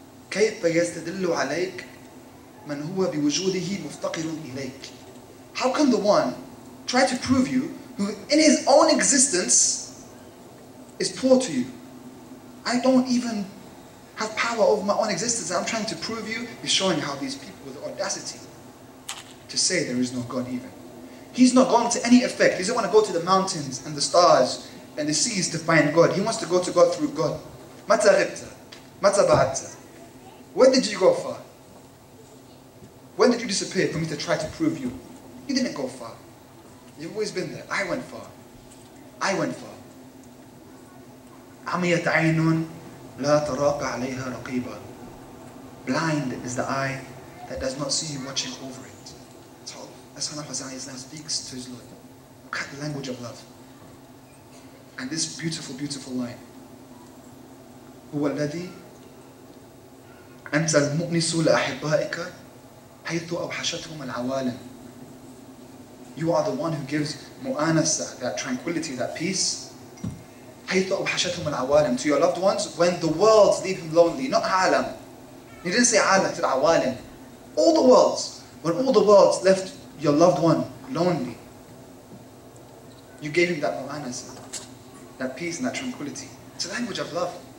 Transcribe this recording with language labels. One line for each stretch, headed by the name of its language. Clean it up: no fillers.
Arabic: كيف يستدلُ عليك من هو بوجوده مفتقر إليك.
English: How can the one try to prove you who in his own existence is poor to you? I don't even have power over my own existence. I'm trying to prove you. He's showing how these people with audacity to say there is no God even. He's not going to any effect. He doesn't want to go to the mountains and the stars and the seas to find God. He wants to go to God through God.
Arabic: مَتَ غِبْتَ مَتَ بَعَدْتَ.
English: When did you go far? When did you disappear for me to try to prove you? You didn't go far. You've always been there. I went far. I went far.
Arabic: عميت عين لا تراقى عليها رقيبا.
English: Blind is the eye that does not see you watching over it. That's how Hosea now speaks to his Lord. Look at the language of love. And this beautiful, beautiful line.
Arabic: هو الذي أنزل المؤنس لأحبائك حيث أوحشتهم العوالم.
English: You are the one who gives مؤانسه, that tranquility, that peace.
Arabic: حيث أوحشتهم العوالم,
English: to your loved ones when the worlds leave him lonely. Not عالم. He didn't say عالم, to العوالم. All the worlds. When all the worlds left your loved one lonely, you gave him that مؤانسه, that peace and that tranquility. It's a language of love.